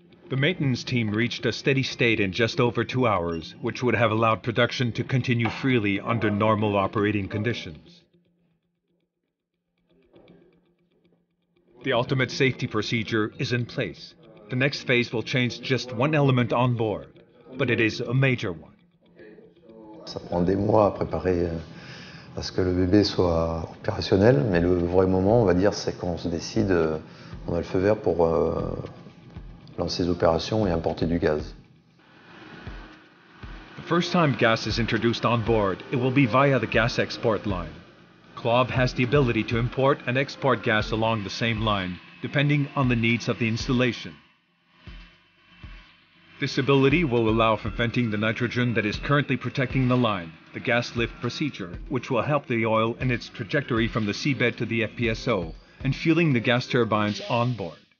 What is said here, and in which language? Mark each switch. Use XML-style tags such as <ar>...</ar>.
<en>The maintenance team reached a steady state in just over 2 hours, which would have allowed production to continue freely under normal operating conditions. The ultimate safety procedure is in place. The next phase will change just one element on board, but it is a major one.</en> <fr>Ça prend des mois à préparer à ce que le bébé soit opérationnel, mais le vrai moment, on va dire, c'est quand on se décide, on a le feu vert pour lancer les opérations et importer du gaz.</fr> <en>The first time gas is introduced on board, it will be via the gas export line. CLOB has the ability to import and export gas along the same line, depending on the needs of the installation. This ability will allow for venting the nitrogen that is currently protecting the line, the gas lift procedure, which will help the oil in its trajectory from the seabed to the FPSO, and fueling the gas turbines on board.</en>